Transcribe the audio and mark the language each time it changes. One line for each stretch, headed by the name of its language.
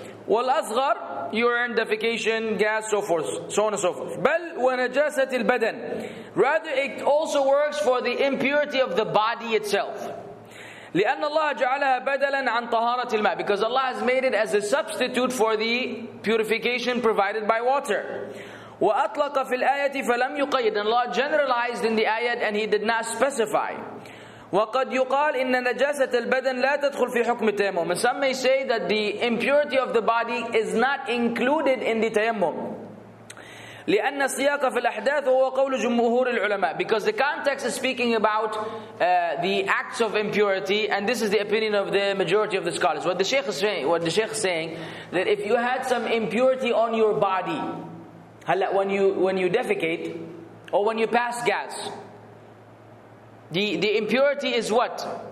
English: Well, asghar, urine, defecation, gas, so forth, so on and so forth.
Arabic: بل ونجاسة البدن.
English: Rather, it also works for the impurity of the body itself.
Arabic: لأن الله جعلها بدلا عن طهارة الماء.
English: Because Allah has made it as a substitute for the purification provided by water.
Arabic: وأطلق في الآية فلم يقيد.
English: And Allah generalized in the ayat and He did not specify.
Arabic: وقد يقال إن نجاسة البدن لا تدخل في حكم التيمم.
English: And some may say that the impurity of the body is not included in the tayammum.
Arabic: لأن السياق في الأحداث هو قول جمهور العلماء.
English: Because the context is speaking about the acts of impurity, and this is the opinion of the majority of the scholars. What the Sheikh is saying that if you had some impurity on your body, when you defecate, or when you pass gas, the impurity is what?